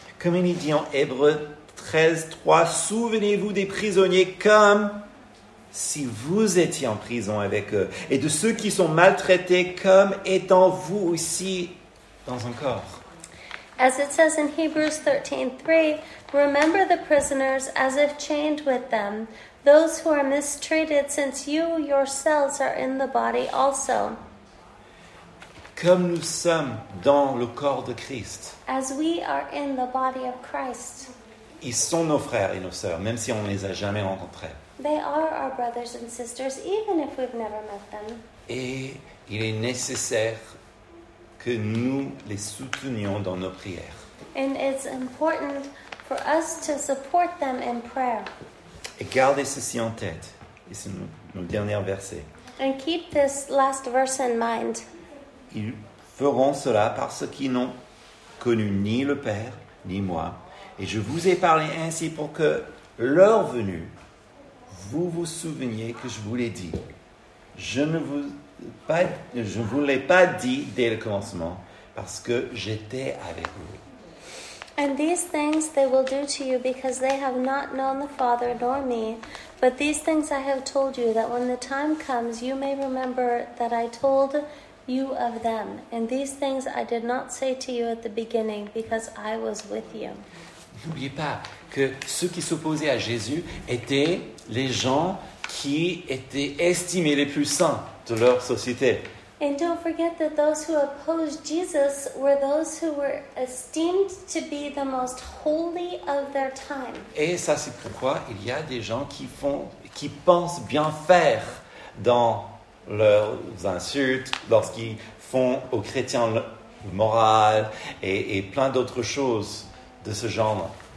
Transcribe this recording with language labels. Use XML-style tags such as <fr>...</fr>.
<fr>Comme il dit en Hébreux 13:3, souvenez-vous des prisonniers comme si vous étiez en prison avec eux, et de ceux qui sont maltraités comme étant vous aussi dans un corps.</fr> <en>As it says in Hebrews 13:3, remember the prisoners as if chained with them, those who are mistreated, since you yourselves are in the body also.</en> <fr>Comme nous sommes dans le corps de Christ.</fr> <en>As we are in the body of Christ.</en> <fr>Ils sont nos frères et nos sœurs, même si on ne les a jamais rencontrés.</fr> <en>They are our brothers and sisters, even if we've never met them.</en> <fr>Et il est nécessaire que nous les soutenions dans nos prières.</fr> <en>And it's important for us to support them in prayer.</en> <fr>Et gardez ceci en tête. Et c'est nos derniers versets.</fr> <en>And keep this last verse in mind.</en> <fr>Ils feront cela parce qu'ils n'ont connu ni le Père, ni moi. Et je vous ai parlé ainsi pour que leur venue, vous vous souveniez que je vous l'ai dit. Je ne vous l'ai pas dit dès le commencement, parce que j'étais avec vous.</fr> <en>And these things they will do to you because they have not known the Father nor me. But these things I have told you, that when the time comes, you may remember that I told you of them. And these things I did not say to you at the beginning, because I was with you.</en> <fr>N'oubliez pas que ceux qui s'opposaient à Jésus étaient les gens qui étaient estimés les plus saints de leur société.</fr> <en>And don't forget that those who opposed Jesus were those who were esteemed to be the most holy of their time.</en> <fr>Et ça, c'est pourquoi il y a des gens qui pensent bien faire dans leurs insultes, lorsqu'ils font aux chrétiens le moral et plein d'autres choses de ce genre.</fr>